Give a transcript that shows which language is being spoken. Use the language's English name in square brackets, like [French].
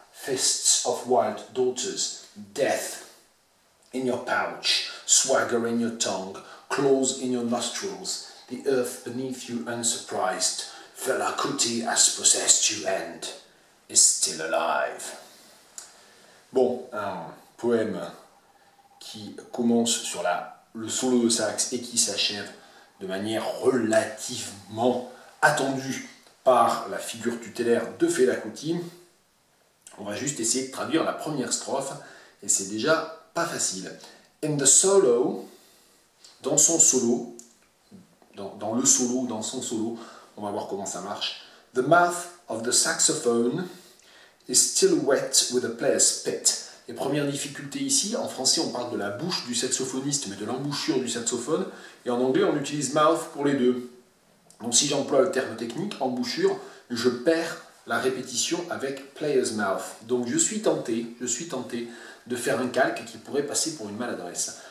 [English] Fists of wild daughters, death in your pouch, swagger in your tongue, claws in your nostrils, the earth beneath you unsurprised, Fela Kuti has possessed you and is still alive. [French] Bon, un poème qui commence sur le solo de sax et qui s'achève de manière relativement attendue par la figure tutélaire de Fela Kuti. On va juste essayer de traduire la première strophe, et c'est déjà pas facile. [English] In the solo, [French] dans son solo, dans le solo, dans son solo, on va voir comment ça marche. [English] The mouth of the saxophone is still wet with a player's spit. [French] Les premières difficultés ici, en français on parle de la bouche du saxophoniste, mais de l'embouchure du saxophone, et en anglais on utilise mouth pour les deux. Donc si j'emploie le terme technique, embouchure, je perds la répétition avec [English] player's mouth. [French] Donc je suis tenté de faire un calque qui pourrait passer pour une maladresse.